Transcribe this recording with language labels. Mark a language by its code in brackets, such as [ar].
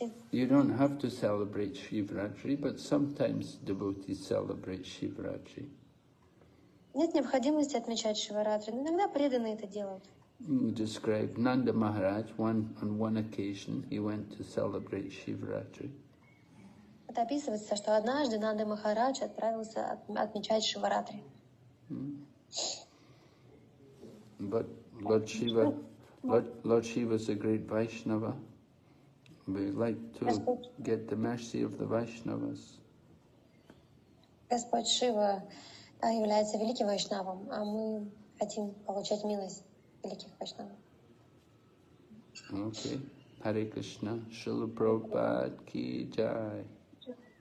[en] You don't have to celebrate Shivratri, but sometimes devotees celebrate Shivratri. [ru] Нет необходимости отмечать Шиваратри, но иногда преданные это делают. [en] Describe Nanda Maharaj, on one occasion he went to celebrate Shivratri. [ru] Это описывается, что однажды Нанда Махарадж отправился отмечать Шиваратри. [en] But Lord Shiva is a great Vaishnava. We like to get the mercy of the Vaishnavas. [ru] Господь Шива является великим Вайшнавом, а мы хотим получать милость великих Вайшнавов. [en] Okay. Hare Krishna, Srila Prabhupada ki jai. Hare Krishna.